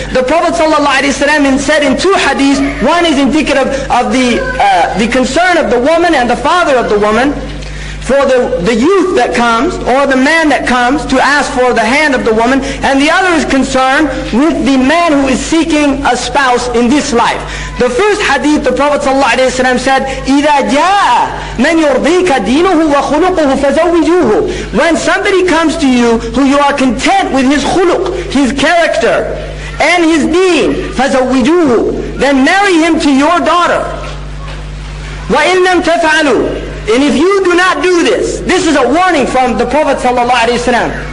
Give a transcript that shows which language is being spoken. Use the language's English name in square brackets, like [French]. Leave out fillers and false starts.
[English] The Prophet sallallahu alaihi wasallam said in two hadiths, one is indicative of the concern of the woman and the father of the woman, for the youth that comes, or the man that comes to ask for the hand of the woman, and the other is concerned with the man who is seeking a spouse in this life. The first hadith, the Prophet ﷺ said, [Arabic] إِذَا جَاءَ مَنْ يُرْضِيكَ دِينُهُ وَخُلُقُهُ فَزَوِّجُوهُ. [English] When somebody comes to you who you are content with his khuluq, his character, and his deen, فَزَوِّجُوهُ, then marry him to your daughter. [Arabic] وَإِنْ لَمْ تَفَعَلُوا. [English] And if you do not do this, this is a warning from the Prophet sallallahu alaihi wasallam.